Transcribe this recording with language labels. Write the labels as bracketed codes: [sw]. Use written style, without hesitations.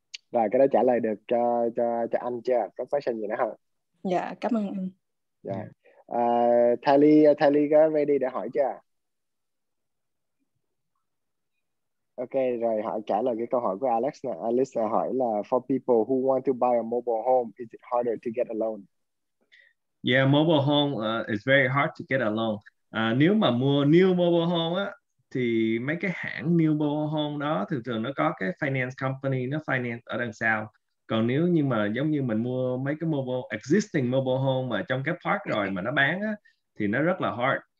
[vi] Và cái đó trả lời được cho anh chưa, có question gì nữa không? Dạ, cảm ơn anh. Thali có ready để hỏi chưa? Ok, rồi họ trả lời cái câu hỏi của Alex nè. Alex hỏi là [en] for people who want to buy a mobile home, is it harder to get a loan? Mobile home is very hard to get a loan. [vi] Nếu mà mua new mobile home á thì mấy cái hãng new mobile home đó thường thường nó có cái finance company nó finance ở đằng sau. Còn nếu như mà giống như mình mua mấy cái existing mobile home mà trong cái park rồi mà nó bán á thì nó rất là hard.